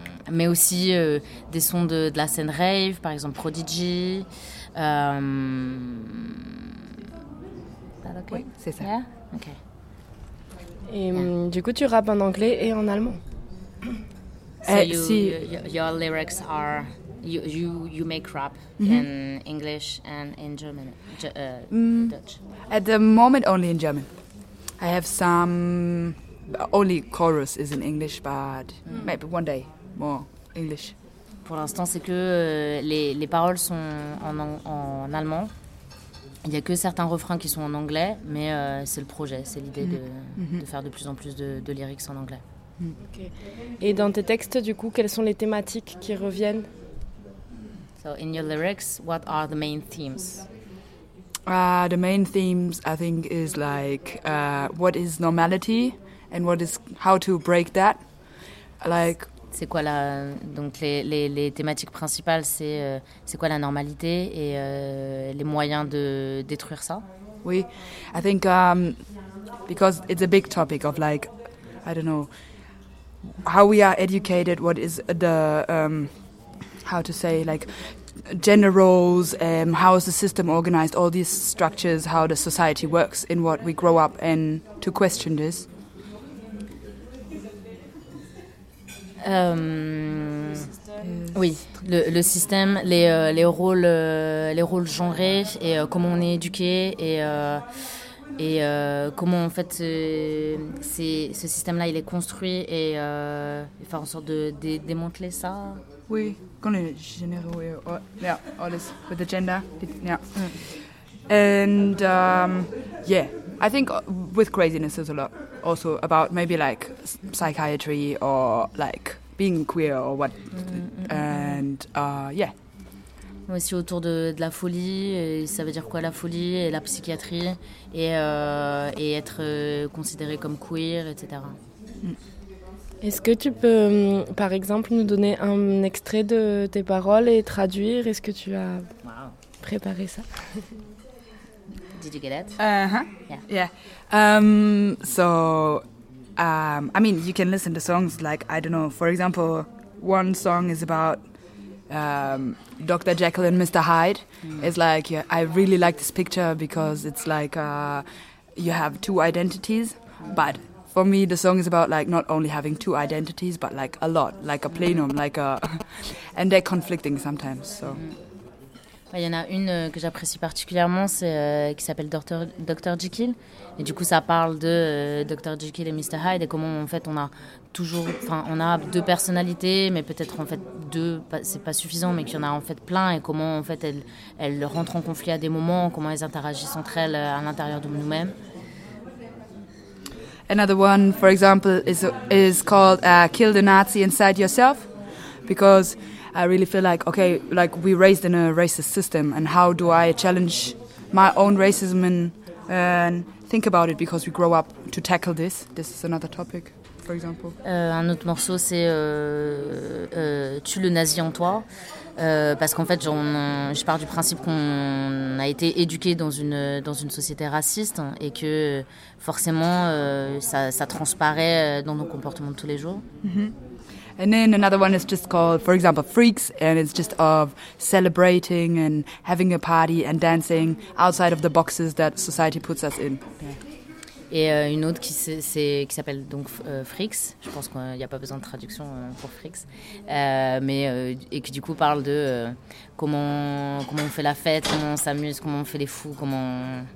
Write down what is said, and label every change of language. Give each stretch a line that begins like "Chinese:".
French: Mais aussi des sons de la scène rave, par exemple Prodigy.
English: That okay?
French: Oui, c'est ça.
English: Yeah? Okay.
French: Et du coup, tu rappes en anglais et en allemand.
English: Your lyrics are... You make rap in English and in German, Dutch. At the moment, only in German. I have some. Only chorus is in English, but maybe one day more English.
French: Pour l'instant, c'est que les paroles sont en allemand. Il y a que certains refrains qui sont en anglais, mais c'est le projet, c'est l'idée de faire de plus en plus de lyrics en anglais.
English: Okay.
French: Et dans tes textes, du coup, quelles sont les thématiques qui reviennent?
English: So in your lyrics, what are the main themes? The main themes, I think, is like what is normality and what is how to break that. Like.
French: C'est quoi la donc les thématiques principales c'est quoi la normalité et les moyens de détruire ça.
English: Oui, I think because it's a big topic of like I don't know how we are educated. What is the how to say, like, gender roles, how is the system organized, all these structures, how the society works in what we grow up, and to question this.
French: Oui, le système, les rôles genrés, et comment on est éduqué, et comment, en fait, ce système-là, il est construit, et il fait en sorte de démanteler ça.
English: Oui,
French: quand les généraux,
English: yeah, all this with the gender, yeah, and yeah, I think with craziness is a lot, also about maybe like psychiatry or like being queer or what, and yeah.
French: Aussi autour de la folie, ça veut dire quoi la folie et la psychiatrie et être considéré comme queer, etc. Est-ce que tu peux, par exemple, nous donner un extrait de tes paroles et traduire? Est-ce que tu as préparé ça?
English: Did you get it? I mean, you can listen to songs, like, I don't know, for example, one song is about Dr. Jekyll and Mr. Hyde. It's like, yeah, I really like this picture because it's like you have two identities, but for me the song is about like not only having two identities but like a lot, like a plenum, like a and they're conflicting sometimes, so
French: il y en a une que j'apprécie particulièrement, c'est qui s'appelle Dr. Jekyll. Et du coup, ça parle de Dr. Jekyll et Mr. Hyde et comment, en fait, on a toujours... Enfin, on a deux personnalités, mais peut-être, en fait, deux, c'est pas suffisant, mais qu'il y en a, en fait, plein. Et comment, en fait, elles rentrent en conflit à des moments, comment elles interagissent entre elles à l'intérieur de nous-mêmes.
English: Another one, for example, is called Kill the Nazi Inside Yourself, because... I really feel like, okay, like we raised in a racist system, and how do I challenge my own racism and think about it because we grow up to tackle this. This is another topic, for example.
French: Un autre morceau, c'est Tue le nazi en toi. Parce qu'en fait, je pars du principe qu'on a été éduqué dans une société raciste et que forcément, ça transparaît dans nos comportements de tous les jours. Mm-hmm.
English: And then another one is just called, for example, Freaks, and it's just of celebrating and having a party and dancing outside of the boxes that society puts us in.
French: Et une autre qui s'appelle donc Freaks, je pense qu'il n'y a pas besoin de traduction pour Freaks, et qui du coup parle de comment on fait la fête, comment on s'amuse, comment on fait les fous, comment on...